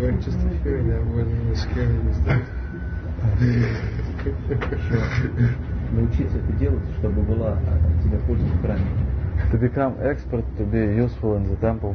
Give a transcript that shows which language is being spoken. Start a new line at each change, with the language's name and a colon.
English: We're just hearing that word and we're scared of this thing.
Russian: Научиться это делать, чтобы была от тебя польза в храме.
English: To become expert, to be useful in the temple.